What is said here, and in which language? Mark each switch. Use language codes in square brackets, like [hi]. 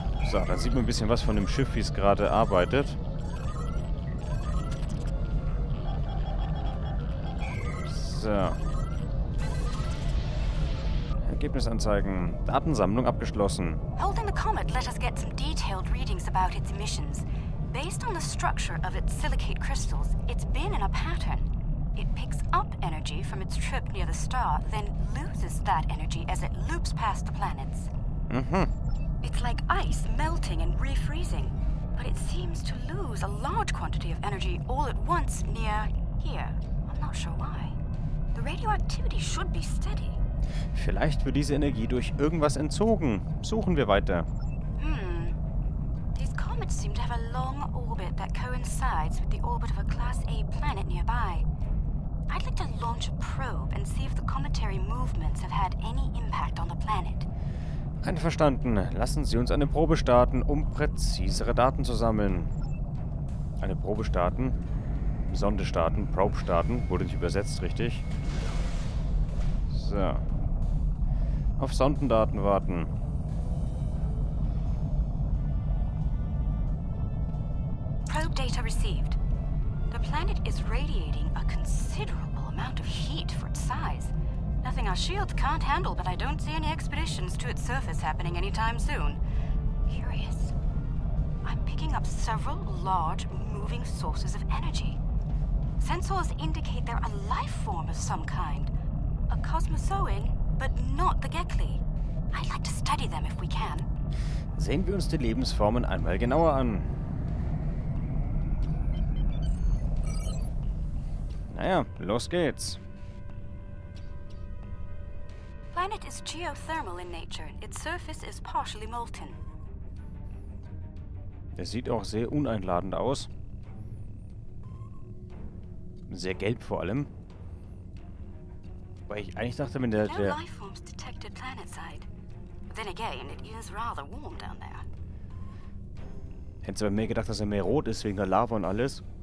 [de] So, dann sieht man ein bisschen was von dem Schiff, wie es gerade arbeitet. So. Ergebnis anzeigen. Datensammlung abgeschlossen. [en] Holding the comet, let us get some detailed readings about its emissions. Based on the structure of its silicate crystals, it's been in a pattern. It picks up energy from its trip near the star, then loses that energy as it loops past the planets. Mhm. It's like ice melting and refreezing, but it seems to lose a large quantity of energy all at once near here. I'm not sure why. The radioactivity should be steady. [de] Vielleicht wird diese Energie durch irgendwas entzogen. Suchen wir weiter. [en] These comets seem to have a long orbit that coincides with the orbit of a Class A planet nearby. I'd like to launch a probe and see if the cometary movements have had any impact on the planet. [de] Einverstanden. Lassen Sie uns eine Probe starten, um präzisere Daten zu sammeln. Eine Probe starten? Sonde starten? Probe starten? Wurde nicht übersetzt, richtig? So. Auf Sondendaten warten. [en] Probe data received. The planet is radiating a considerable amount of heat for its size. Nothing our shields can't handle, but I don't see any expeditions to its surface happening anytime soon. Curious. I'm picking up several large moving sources of energy. Sensors indicate they're a life form of some kind. A Cosmosoan, but not the Gekli. I'd like to study them if we can. [de] Sehen wir uns die Lebensformen einmal genauer an. Naja, los geht's. [en] Planet is geothermal in nature. Its surface is partially molten. [de] Es sieht auch sehr uneinladend aus. Sehr gelb vor allem. Weil ich eigentlich dachte, wenn der [en] no life forms detected planet side. Then again, it is rather warm down there. [de] Hätte aber mehr gedacht, dass er mehr rot ist wegen der Lava und alles.